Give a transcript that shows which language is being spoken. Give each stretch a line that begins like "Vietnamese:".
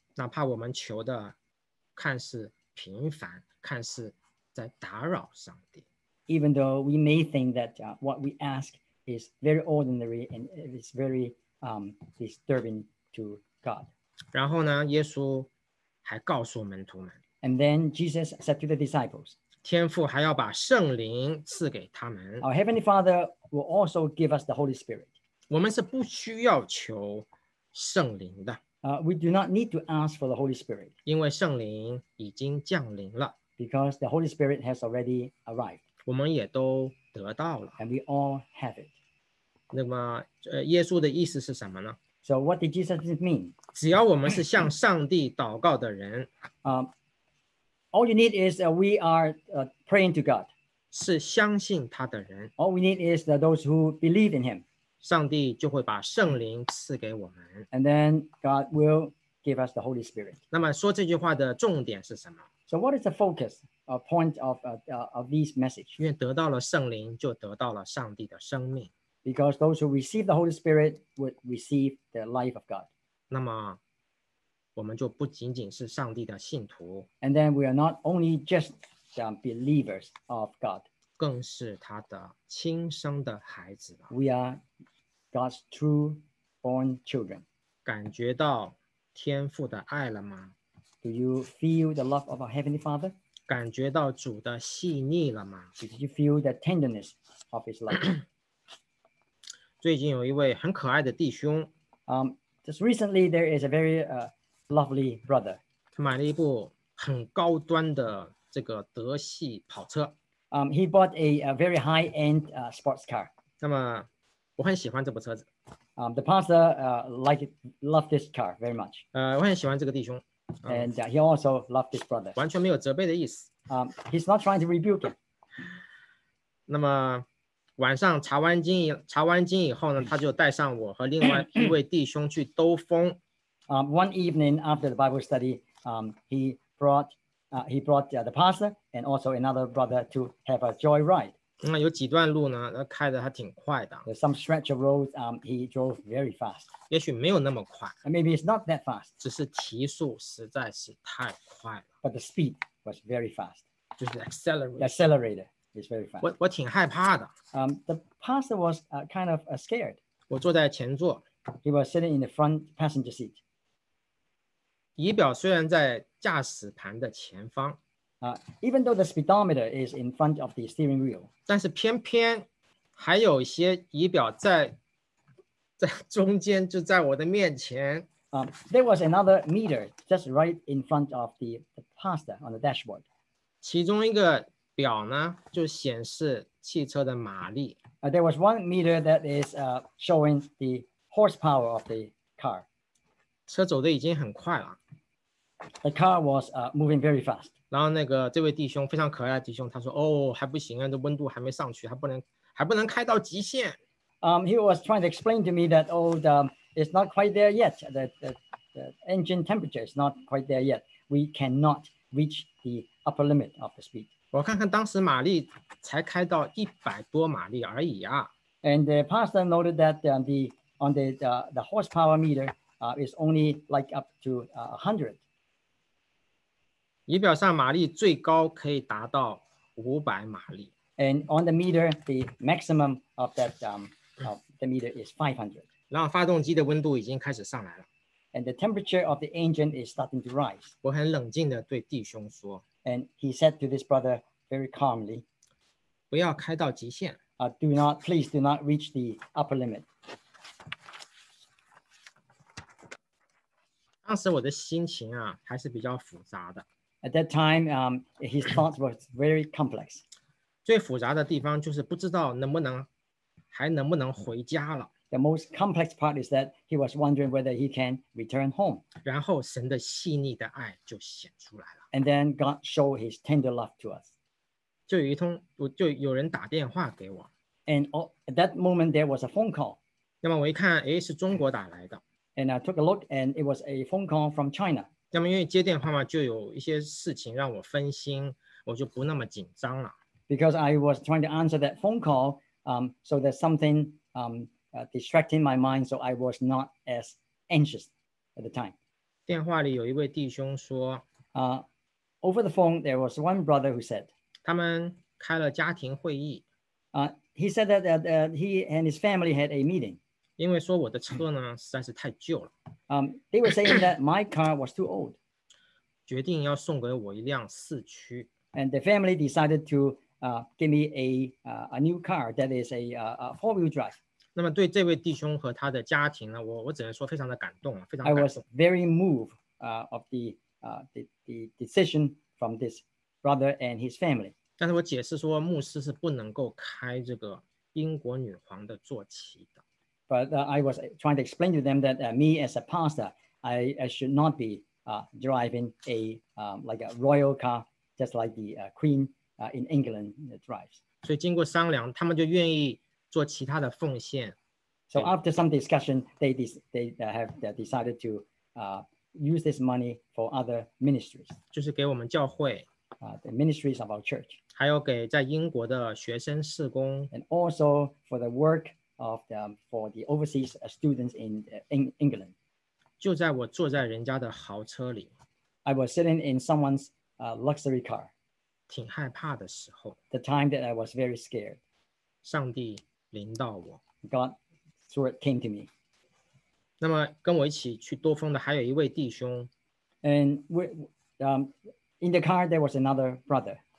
Chinese: 哪怕我们求的看似平凡，看似在打扰上帝。
English: Even though we may think that what we ask is very ordinary and it's very disturbing to God.
Chinese: 然后呢，耶稣还告诉门徒们。
English: And then Jesus said to the disciples,
Chinese: 天父还要把圣灵赐给他们。
English: Our Heavenly Father will also give us the Holy Spirit.
Chinese: 我们是不需要求圣灵的。
English: We do not need to ask for the Holy Spirit.
Chinese: 因为圣灵已经降临了。
English: Because the Holy Spirit has already arrived.
Chinese: 我们也都得到了。
English: And we all have it.
Chinese: 那么，耶稣的意思是什么呢？
English: So what did Jesus mean?
Chinese: 只要我们是向上帝祷告的人
English: All you need is we are praying to God.
Chinese: 是相信他的人
English: All we need is those who believe in him.
Chinese: 上帝就会把圣灵赐给我们
English: And then God will give us the Holy Spirit.
Chinese: 那么说这句话的重点是什么
English: So what is the focus, point of this message?
Chinese: 因为得到了圣灵就得到了上帝的生命
English: Because those who receive the Holy Spirit would receive the life of God.
Chinese: 那么我们就不仅仅是上帝的信徒
English: And then we are not only just the believers of God.
Chinese: 更是他的亲生的孩子了
English: We are God's true born children.
Chinese: 感觉到天父的爱了吗
English: Do you feel the love of our Heavenly Father?
Chinese: 感觉到主的细腻了吗
English: Did you feel the tenderness of his love?
Chinese: 最近有一位很可爱的弟兄
English: Just recently there is a very lovely brother
Chinese: 他买了一部很高端的这个德系跑车
English: He bought a very high-end sports car
Chinese: 那么我很喜欢这部车子
English: The pastor loved this car very much
Chinese: 我很喜欢这个弟兄
English: And he also loved this brother
Chinese: 完全没有责备的意思
English: He's not trying to rebuke him
Chinese: 那么晚上查完经以后呢，他就带上我和另外一位弟兄去兜风。
English: One evening after the Bible study, he brought the pastor and also another brother to have a joy ride.
Chinese: 那有几段路呢，开的还挺快的。
English: There's some stretch of road, he drove very fast.
Chinese: 也许没有那么快。
English: Maybe it's not that fast.
Chinese: 只是提速实在是太快了。
English: But the speed was very fast.
Chinese: 就是 accelerator.
English: The accelerator. It's very fast.
Chinese: 我挺害怕的。
English: The pastor was kind of scared.
Chinese: 我坐在前座。
English: He was sitting in the front passenger seat.
Chinese: 仪表虽然在驾驶盘的前方。
English: Even though the speedometer is in front of the steering wheel.
Chinese: 但是偏偏还有一些仪表在中间，就在我的面前。
English: There was another meter just right in front of the pastor on the dashboard.
Chinese: 其中一个。表呢就显示汽车的马力。
English: There was one meter that is showing the horsepower of the car.
Chinese: 车走的已经很快了。
English: The car was moving very fast.
Chinese: 然后那个这位弟兄非常可爱的弟兄，他说：“哦，还不行啊，这温度还没上去，还不能开到极限。”
English: He was trying to explain to me that it's not quite there yet. The engine temperature is not quite there yet. We cannot reach the upper limit of the speed.
Chinese: 我看看当时马力才开到100多马力而已啊。
English: And the pastor noted that the horsepower meter is only like up to 100.
Chinese: 仪表上马力最高可以达到500马力。
English: And on the meter, the maximum of that of the meter is 500.
Chinese: 然后发动机的温度已经开始上来了。
English: And the temperature of the engine is starting to rise.
Chinese: 我很冷静地对弟兄说。
English: And he said to this brother very calmly,
Chinese: 不要开到极限。
English: Please do not reach the upper limit.
Chinese: 当时我的心情啊，还是比较复杂的。
English: At that time, his thoughts were very complex.
Chinese: 最复杂的地方就是不知道还能不能回家了。
English: The most complex part is that he was wondering whether he can return home.
Chinese: 然后神的细腻的爱就显出来了。
English: And then God showed his tender love to us.
Chinese: 就有人打电话给我。
English: And at that moment, there was a phone call.
Chinese: 那么我一看，诶，是中国打来的。
English: And I took a look, and it was a phone call from China.
Chinese: 那么因为接电话嘛，就有一些事情让我分心，我就不那么紧张了。
English: Because I was trying to answer that phone call, so there's something distracting my mind, so I was not as anxious at the time.
Chinese: 电话里有一位弟兄说。
English: Over the phone, there was one brother who said,
Chinese: 他们开了家庭会议。
English: He said that he and his family had a meeting.
Chinese: 因为说我的车呢实在是太旧了。
English: They were saying that my car was too old.
Chinese: 决定要送给我一辆四驱。
English: And the family decided to give me a new car that is a four-wheel drive.
Chinese: 那么对这位弟兄和他的家庭呢，我只能说非常的感动，非常感动。
English: I was very moved of the decision from this brother and his family.
Chinese: 但是我解释说，牧师是不能够开这个英国女皇的坐骑的。
English: But I was trying to explain to them that me as a pastor, I should not be driving a like a royal car, just like the Queen in England drives.
Chinese: 所以经过商量, 他们就愿意做其他的奉献。
English: So after some discussion, they have decided to use this money for other ministries.
Chinese: 就是给我们教会,
English: the ministries of our church.
Chinese: 还有给在英国的学生事工,
English: and also for the work of the, for the overseas students in England.
Chinese: 就在我坐在人家的豪车里,
English: I was sitting in someone's luxury car.
Chinese: 挺害怕的时候,
English: the time that I was very scared.
Chinese: 上帝临到我,
English: God through it came to me.
Chinese: 那么跟我一起去多峰的还有一位弟兄,
English: and we, in the car there was another brother.